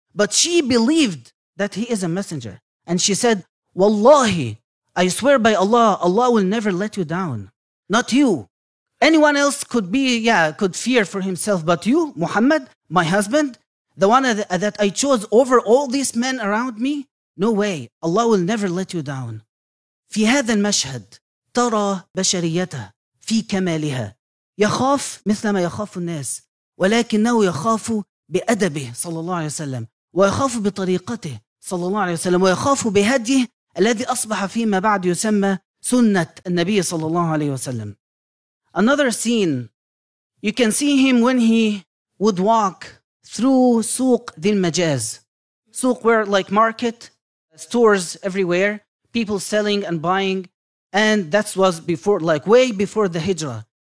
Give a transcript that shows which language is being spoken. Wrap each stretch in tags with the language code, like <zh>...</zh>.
<en>But she believed that he is a messenger. And she said, Wallahi, I swear by Allah, Allah will never let you down. Not you. Anyone else could be, yeah, could fear for himself. But you, Muhammad, my husband, the one that I chose over all these men around me, no way. Allah will never let you down.</en> <ar>في هذا المشهد ترى بشريته في كمالها يخاف مثل ما يخاف الناس ولكنه يخاف بأدبه صلى الله عليه وسلم ويخاف بطريقته صلى الله عليه وسلم ويخاف بهديه الذي أصبح فيما بعد يسمى سنة النبي صلى الله عليه وسلم.</ar> <en>Another scene, you can see him when he would walk through سوق ذي المجاز. سوق where, like, market, stores everywhere, people selling and buying. And that was before, like, way before the hijrah.</en>